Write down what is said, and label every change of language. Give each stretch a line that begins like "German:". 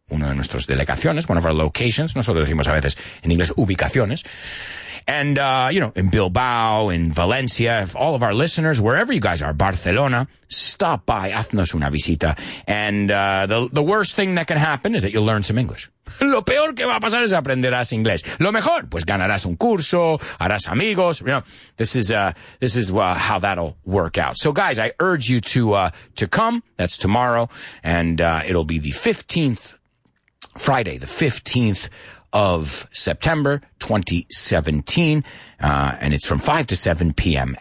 Spanish: Uno de nuestras delegaciones,
English: one of our locations.
Spanish: Nosotros decimos a veces en inglés ubicaciones.
English: And, you know, in Bilbao, in Valencia, if all of our listeners, wherever you guys are, Barcelona, stop by,
Spanish: haznos una visita.
English: And the worst thing that can happen is that you'll learn some English.
Spanish: Lo peor que va a pasar es aprenderás inglés. Lo mejor, pues ganarás un curso, harás amigos.
English: You know, this is how that'll work out. So, guys, I urge you to come. That's tomorrow. And it'll be the 15th, Friday, the 15th. Of September 2017, and it's from 5 to 7 p.m.